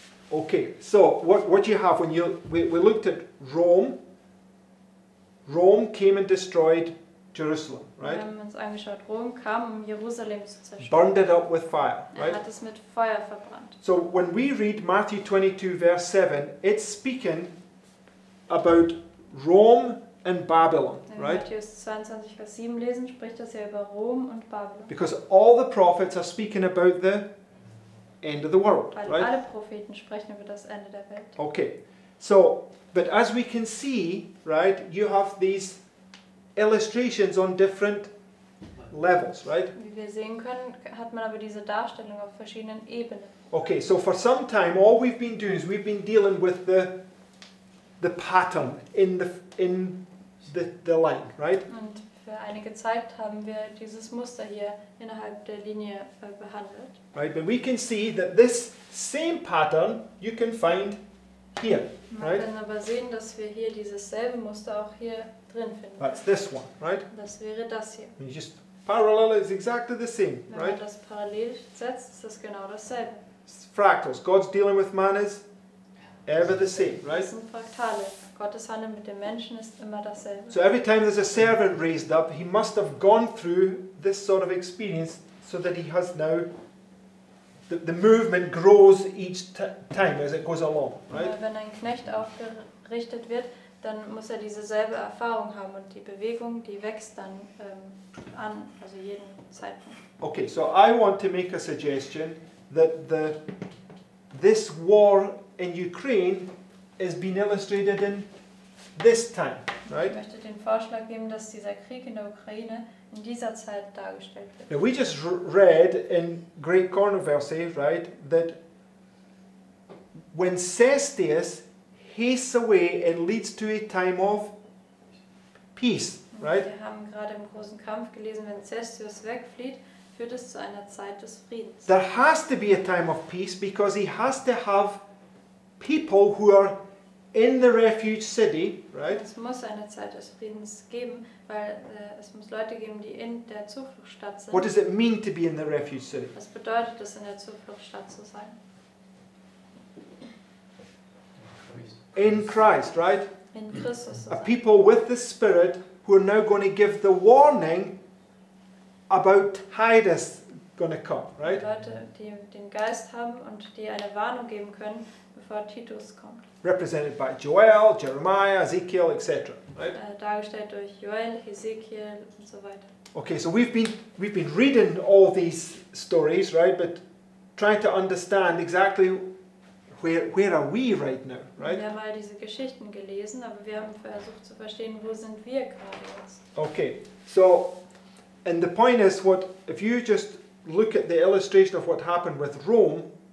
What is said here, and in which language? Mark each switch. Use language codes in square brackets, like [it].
[en] Okay, so what you have when you we looked at Rome. Rome came and destroyed Jerusalem, right? [de] Wir haben uns angeschaut. Rom kam, um Jerusalem zu zerstören. [en] Burned it up with fire, right? [de] Er hat es mit Feuer verbrannt. [en] So when we read Matthew 22 verse 7, it's speaking about Rome and Babylon, right? [de] In Matthäus 22 Vers 7 lesen, spricht das ja über Rom und Babylon. [en] Because all the prophets are speaking about the end of the world, [de] weil [en] right? [de] Alle Propheten sprechen über das Ende der Welt. [en] Okay, so, but as we can see, right, you have these illustrations on different levels, right? [de] Wie wir sehen können, hat man aber diese Darstellung auf verschiedenen Ebenen. [en] Okay, so for some time, all we've been doing is we've been dealing with the pattern in the line, right? [de] Und für einige Zeit haben wir dieses Muster hier innerhalb der Linie behandelt. [en] Right, but we can see that this same pattern you can find here, right? [de] Man kann aber sehen, dass wir hier dieses selbe Muster auch hier drin finden. [en] That's this one, right? [de] Das wäre das hier. [en] You just parallel is exactly the same, [de] wenn [en] right? [de] Wenn man das parallel setzt, ist das genau dasselbe. [en] Fractals. God's dealing with man is ever the same, right? [de] Das sind Fraktale. Gottes Handeln mit dem Menschen ist immer dasselbe. [en] So every time there's a servant raised up, he must have gone through this sort of experience so that he has now the movement grows each time as it goes along, right? [de] Wenn ein Knecht aufgerichtet wird, dann muss er dieselbe Erfahrung haben und die Bewegung, die wächst dann an, also jeden Zeitpunkt. [en] Okay, so I want to make a suggestion that this war in Ukraine has been illustrated in this time, right? [de] Ich möchte den Vorschlag geben, dass dieser Krieg in der Ukraine in dieser Zeit dargestellt wird. [en] Now we just read in Great Controversy, right, that when Cestius hastes away, it leads to a time of peace, right? [de] Wir haben gerade im großen Kampf gelesen, wenn Cestius wegflieht, führt es zu einer Zeit des Friedens. [en] There has to be a time of peace because he has to have people who are in the refuge city, right? [de] Es muss eine Zeit des Friedens geben, weil es muss Leute geben, die in der Zufluchtsstadt sind. [en] What does it mean to be in the refuge city? [de] Was bedeutet es, in der Zufluchtsstadt zu sein? [en] In Christ, right? [de] In Christus zu sein. [en] A people with the Spirit who are now going to give the warning about Titus going to come, right? [de] Leute, die den Geist haben und die eine Warnung geben können, bevor Titus kommt. [en] Represented by Joel, Jeremiah, Ezekiel, etc. Right? [de] Dargestellt durch Joel, Ezekiel und so weiter. [en] Okay, so we've been reading all these stories, right? But trying to understand exactly where are we right now, right? [de] Wir haben all diese Geschichten gelesen, aber wir haben versucht zu verstehen, wo sind wir gerade jetzt? [en] Okay, so and the point is, if you just look at the illustration of what happened with Rome.